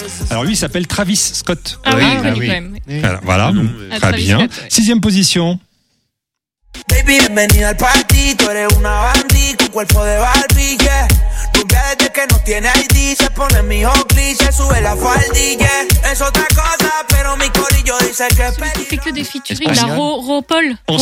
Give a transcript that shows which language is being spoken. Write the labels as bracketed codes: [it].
[fr] Alors, lui, il s'appelle Travis Scott. Ah oui, quand même. Alors, voilà, donc, très bien. 6e position. [es] Bienvenido al party, tú eres una bandita, un cuerpo de Barbie, yeah. Rubia desde que no tiene ID, se pone mi hoclí, se sube la faldilla, yeah. Es otra cosa, pero mi corillo dice que es peligro. [fr] C'est que des featuring, la Ro-Paul.